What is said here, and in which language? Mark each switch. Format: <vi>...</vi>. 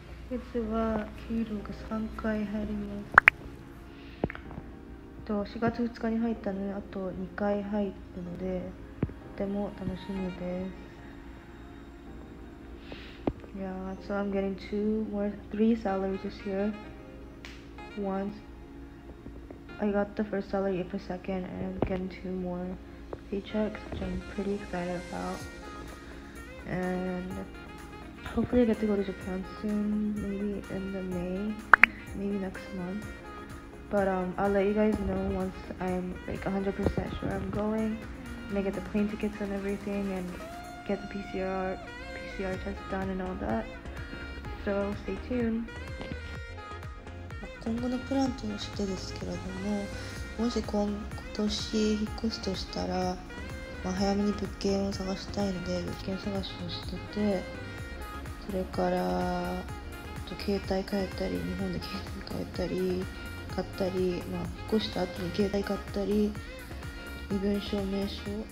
<ja>実は給料が3回入ります。 4月2日に入ったので、あと2回入ったのでとても楽しみです。</ja> <en>Yeah, so I'm getting three salaries this year. Once I got the first salary, April 2nd, and I'm getting two more paychecks, which I'm pretty excited about. AndHopefully I get to go to Japan soon, maybe in the May, maybe next month. But I'll let you guys know once I'm like 100% sure I'm going, and I get the plane tickets and everything, and get the PCR test done and all that. So stay tuned.</en> <ja>今後のプランとしてですけれども、もし今年引っ越すとしたら、早めに物件を探したいので、物件探しをしてて、それから携帯変えたり、日本で携帯変えたり買ったり、引っ越した後に携帯買ったり、身分証明書を</ja>